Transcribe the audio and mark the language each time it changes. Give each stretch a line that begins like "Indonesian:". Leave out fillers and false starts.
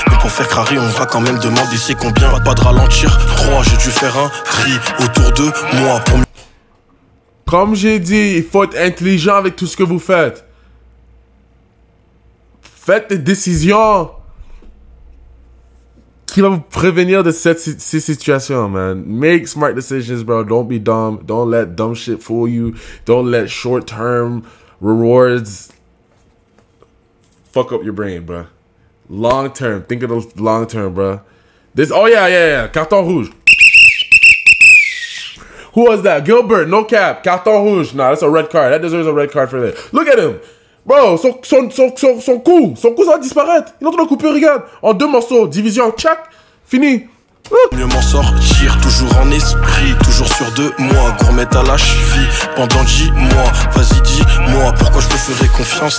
French: Mais pour faire crari, on va quand même demander c'est combien. Pas de ralentir, 3, j'ai dû faire un tri autour de moi pour... Comme j'ai dit, il faut être intelligent avec tout ce que vous faites. Faites des décisions qui va vous prévenir de ces situations, man.
English: Make smart decisions, bro. Don't be dumb. Don't let dumb shit fool you. Don't let short-term rewards fuck up your brain, bro. Long-term. Think of the long-term, bro. This... Oh, yeah.
French: Carton rouge.
English: Who was that? Gilbert, no cap.
French: Carton rouge.
English: Nah, that's a red card. That deserves a red card for that. Look at him.
French: Bro, son coup, ça va disparaître. Il est en train de couper, regarde. En deux morceaux, division, tchac, fini. Mieux m'en sortir, toujours en esprit. Toujours sûr de moi, gourmette à la cheville. Pendant 10 mois, vas-y dis-moi. Pourquoi je te ferai confiance?